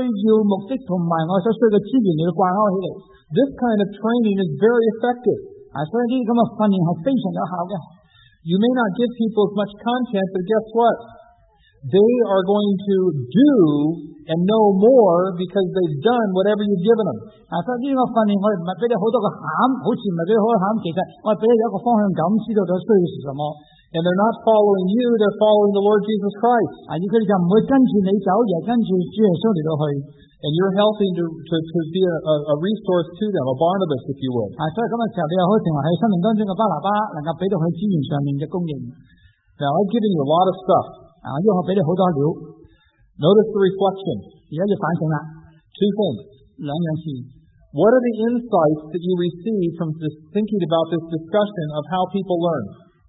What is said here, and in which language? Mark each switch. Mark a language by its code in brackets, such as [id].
[zh] 這個最直接的就是能夠將我們需要目的和我們所需要的資源掛鈎起來。 [en] This kind of training is very effective. [zh] 所以這樣的訓練是非常有效的。 [en] You may not give people as much content, but guess what? They are going to do and know more because they've done whatever you've given them. [zh] 所以這個訓練我給你很多個餡,好像不是給你很多餡,其實我給你一個方向感,知道他需要什麼。 [en] And they're not following you, they're following the Lord Jesus Christ. [zh] 你可以說不會跟著你走,也跟著主耶穌去。 [en] And you're helping to be a resource to them, a Barnabas, if you will. [zh] 所以今天就有好成為在生命當中的巴拿巴,能夠給到他資源上面的供應。 [en] Now, I've given you a lot of stuff. [zh] 又給你很多料。 [en] Notice the reflection. [zh] 現在要反省了。 [en] Two things. [zh] 兩件事。 [en] What are the insights that you receive from just thinking about this discussion of how people learn?